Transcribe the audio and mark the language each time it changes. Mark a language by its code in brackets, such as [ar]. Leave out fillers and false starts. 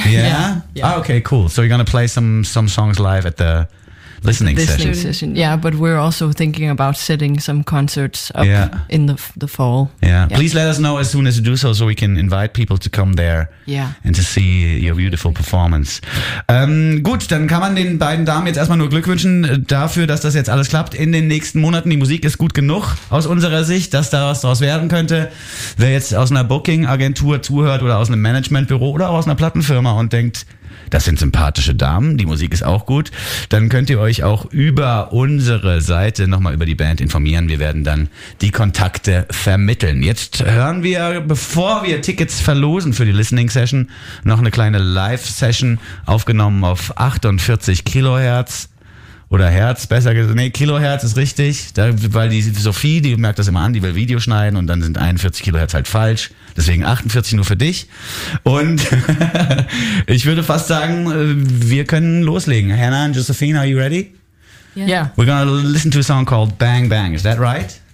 [en] Yeah. Oh, okay. Cool. So you're gonna play some songs live at the listening session. Yeah, but we're also thinking about setting some concerts up in the fall. Yeah. Please let us know as soon as you do so we can invite people to come there and to see your beautiful performance. [de] Gut, dann kann man den beiden Damen jetzt erstmal nur Glück wünschen dafür, dass das jetzt alles klappt in den nächsten Monaten. Die Musik ist gut genug aus unserer Sicht, dass da was draus werden könnte. Wer jetzt aus einer Booking-Agentur zuhört oder aus einem Managementbüro oder aus einer Plattenfirma und denkt, das sind sympathische Damen, die Musik ist auch gut, dann könnt ihr euch auch über unsere Seite nochmal über die Band informieren. Wir werden dann die Kontakte vermitteln. Jetzt hören wir, bevor wir Tickets verlosen für die Listening Session, noch eine kleine Live-Session aufgenommen auf 48 Kilohertz. Oder Herz, besser gesagt, Kilohertz ist richtig, weil die Sophie, die merkt das immer an, die will Video schneiden und dann sind 41 Kilohertz halt falsch, deswegen 48 nur für dich. Und ich würde fast sagen, wir können loslegen. [en] Hannah and Josephine, are you ready? Yeah. We're gonna listen to a song called Bang Bang, is that right?